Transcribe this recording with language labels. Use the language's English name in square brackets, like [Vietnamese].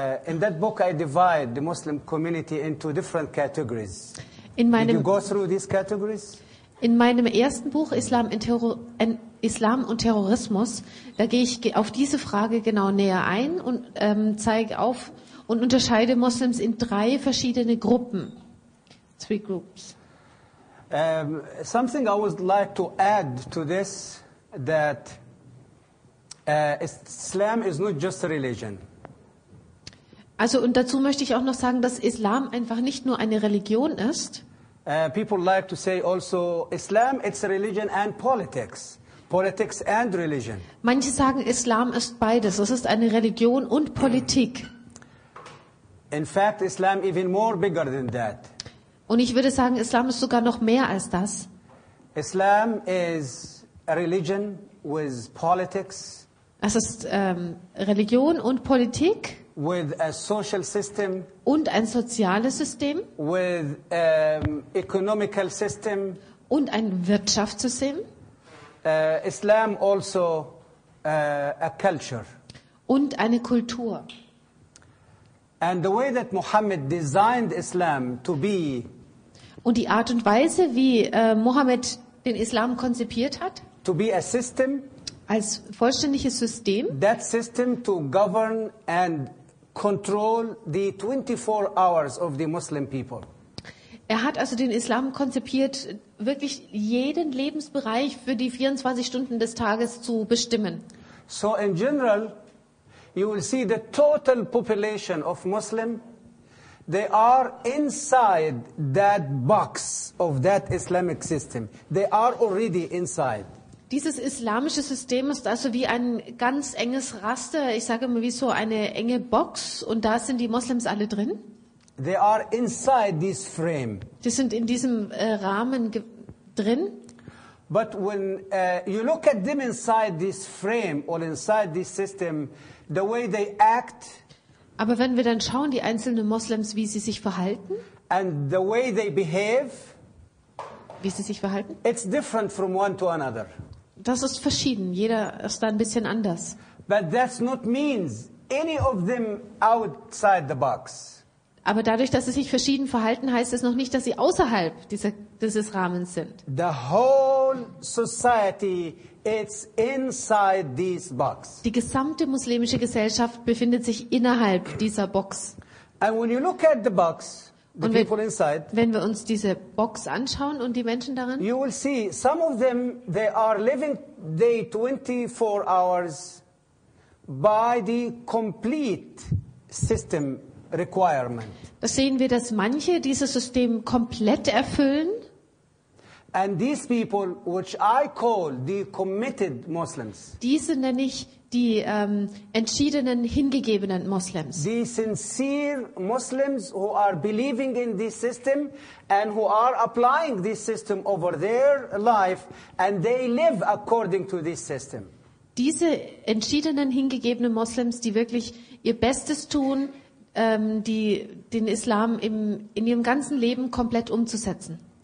[English] In that book, I divide the Muslim community into different categories. Did you go through these categories? [German] In meinem ersten Buch, Islam und Terrorismus, da gehe ich auf diese Frage genau näher ein und zeige auf und unterscheide Muslims in drei verschiedene Gruppen. [English] Three groups. Something I would like to add to this, that Islam is not just a religion. [German] Also, und dazu möchte ich auch noch sagen, dass Islam einfach nicht nur eine Religion ist. [English] People like to say also Islam, it's a religion and politics. Politics and religion. [German] Manche sagen, Islam ist beides. Es ist eine Religion und Politik. [English] In fact, Islam even more bigger than that. [German] Und ich würde sagen, Islam ist sogar noch mehr als das. [English] Islam is a religion with politics. [German] Es ist Religion und Politik. [English] With a social system. [German] Und ein soziales System. [English] With economical system. [German] Und ein Wirtschaftssystem. [English] Islam also a culture. [German] Und eine Kultur. [English] And the way that Muhammad designed Islam to be. [German] Und die Art und Weise, wie Muhammad den Islam konzipiert hat. [English] To be a system. [German] Als vollständiges System. [English] That system to govern and control the 24 hours of the Muslim people. [German] Er hat also den Islam konzipiert, wirklich jeden Lebensbereich für die 24 Stunden des Tages zu bestimmen. [English] So in general, you will see the total population of Muslim, they are inside that box of that Islamic system. They are already inside. [German] Dieses islamische System ist also wie ein ganz enges Raster, ich sage mal wie so eine enge Box, und da sind die Moslems alle drin. [English] They are inside this frame. [German] Die sind in diesem Rahmen drin. [English] But when you look at them inside this frame or inside this system, the way they act. [German] Aber wenn wir dann schauen, die einzelnen Moslems, wie sie sich verhalten. [English] And the way they behave. [German] Wie sie sich verhalten. [English] It's different from one to another. [German] Das ist verschieden. Jeder ist da ein bisschen anders. [English] But that's not means any of them outside the box. [German] Aber dadurch, dass sie sich verschieden verhalten, heißt es noch nicht, dass sie außerhalb dieses Rahmens sind. [English] The whole society is inside this box. [German] Die gesamte muslimische Gesellschaft befindet sich innerhalb dieser Box. [English] And when you look at the box, the [German] und [English] people inside, [German] wenn wir uns diese Box anschauen und die Menschen darin, [English] you will see some of them they are living day 24 hours by the complete system. Requirement. [German] Das sehen wir, dass manche dieses System komplett erfüllen. [English] And these people, which I call the committed Muslims. [German] Diese nenne ich die entschiedenen, hingegebenen Moslems. [English] The sincere Muslims who are believing in this system and who are applying this system over their life and they live according to this system. [German] Diese entschiedenen, hingegebenen Moslems, die wirklich ihr Bestes tun, die den Islam im, in ihrem ganzen Leben komplett umzusetzen.